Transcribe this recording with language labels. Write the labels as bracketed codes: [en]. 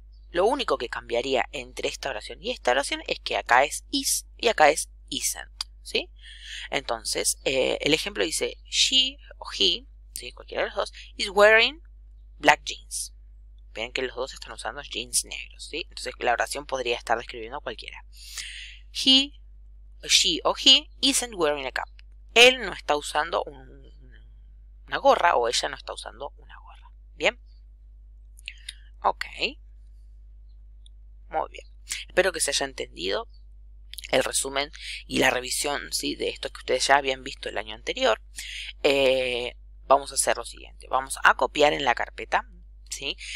[es] Lo único que cambiaría entre esta oración y esta oración es que acá es is y acá es isn't, ¿sí? Entonces, el ejemplo dice she o he, ¿sí? Cualquiera de los dos, [en] is wearing black jeans. [es] Vean que los dos están usando jeans negros, ¿sí? Entonces, la oración podría estar describiendo a cualquiera. [en] She o he isn't wearing a cap. [es] Él no está usando una gorra o ella no está usando una gorra. ¿Bien? Ok. Muy bien, espero que se haya entendido el resumen y la revisión, ¿sí? De esto que ustedes ya habían visto el año anterior. Vamos a hacer lo siguiente, vamos a copiar en la carpeta, ¿sí?